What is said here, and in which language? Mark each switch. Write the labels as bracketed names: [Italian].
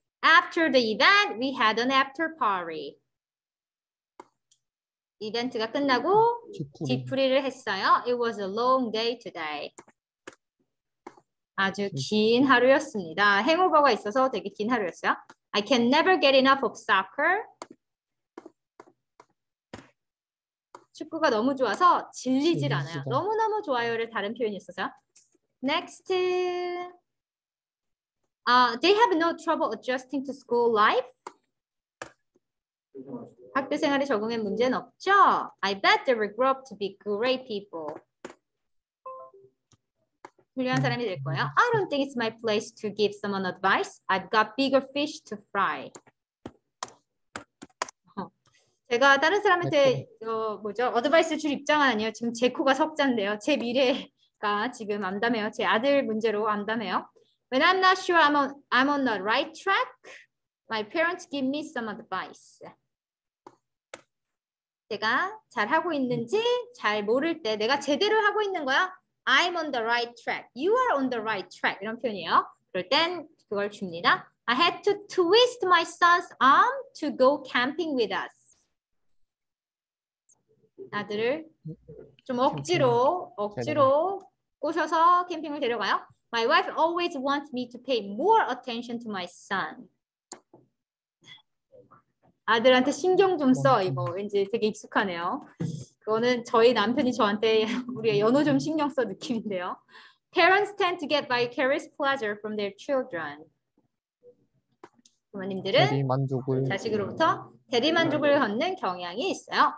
[English] After the event, we had an after party. [Korean] 이벤트가 끝나고 뒤풀이를 했어요. [English] It was a long day today. [Korean] 아주 긴 하루였습니다. 행오버가 있어서 되게 긴 하루였어요. [English] I can never get enough of soccer. [Korean] 축구가 너무 좋아서 질리질 않아요. 너무너무 좋아요를 다른 표현이 있었어요. [English] Next. They have no trouble adjusting to school life. [Korean] 학교 생활에 적응에 문제는 없죠? [English] I bet they will grow up to be great people. [Korean] 훌륭한 사람이 될 거예요. [English] I don't think it's my place to give someone advice. I've got bigger fish to fry. [Korean] 제가 다른 사람한테 뭐죠? 어드바이스를 줄 입장은 아니에요. 지금 제 코가 석잔데요. 제 미래가 지금 암담해요. 제 아들 문제로 암담해요. [English] When I'm not sure I'm on the right track, my parents give me some advice. [Korean] 제가 잘 하고 있는지 잘 모를 때 내가 제대로 하고 있는 거야? [English] I'm on the right track. You are on the right track. [Korean] 이런 표현이에요. 그럴 땐 그걸 줍니다. [English] I had to twist my son's arm to go camping with us. [Korean] 아들을 좀 억지로 꼬셔서 캠핑을 데려가요. [English] My wife always wants me to pay more attention to my son. [Korean] 아들한테 신경 좀 써, 이거. 왠지 되게 익숙하네요. 그거는 저희 남편이 저한테 우리의 연호 좀 신경 써 느낌인데요. [English] Parents tend to get vicarious pleasure from their children. [Korean] 부모님들은 대리만족을 자식으로부터 대리만족을 얻는 경향이 있어요.